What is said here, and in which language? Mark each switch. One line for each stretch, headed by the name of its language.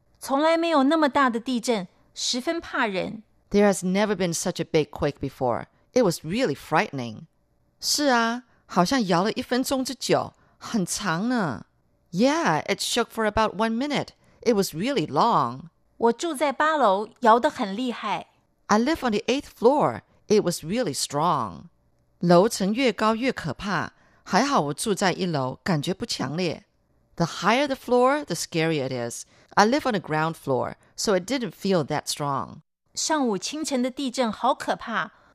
Chinese: 从来没有那么大的地震, 十分怕人,
English: there has never been such a big quake before. It was really frightening.
Chinese: 是啊, 好像摇了一分钟之久, 很长呢。
English: Yeah, it shook for about 1 minute. It was really long.
Chinese: 我住在八楼, 摇得很厉害。
English: I live on the 8th floor. It was really strong.
Chinese: 楼层越高越可怕, 还好我住在一楼, 感觉不强烈。
English: The higher the floor, the scarier it is. I live on the ground floor, so it didn't feel that strong.
Chinese: 上午清晨的地震好可怕。